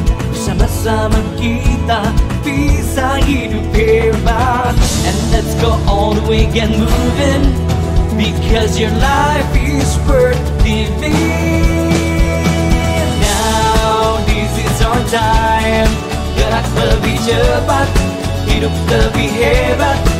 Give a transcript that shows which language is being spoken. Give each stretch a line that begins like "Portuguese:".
Indonesian: Bersama-sama kita bisa hidup hebat.
English: And let's go all the way, get moving, because your life is worth living. Now this is our time.
Indonesian: Gerak lebih cepat, hidup lebih hebat.